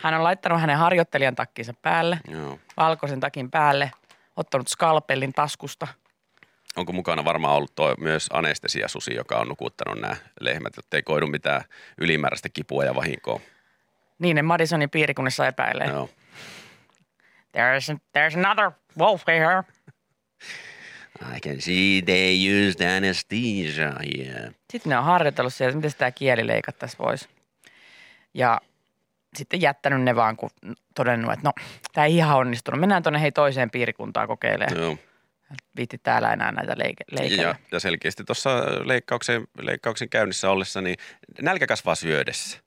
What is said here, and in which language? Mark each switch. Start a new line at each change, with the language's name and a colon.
Finnish: Hän on laittanut hänen harjoittelijan takkinsa päälle, valkoisen takin päälle, ottanut skalpellin taskusta. Onko mukana varmaan ollut toi myös anestesiasusi, joka on nukuttanut nämä lehmät, ettei koidu mitään ylimääräistä kipua ja vahinkoa? Niin, ne Madisonin piirikunnissa epäilee. No.
English: There's another wolf here. I can see they used anesthesia here.
Finnish: Sitten ne on harjoitellut siellä, miten tämä kieli leikattaisi pois. Ja sitten jättänyt ne vaan, kun todennut, että no, tämä ei ihan onnistunut. Mennään tuonne toiseen piirikuntaan kokeilemaan. Joo. Viitti täällä enää näitä leikkejä. Ja selkeästi tuossa leikkauksen käynnissä ollessa, niin nälkä kasvaa syödessä.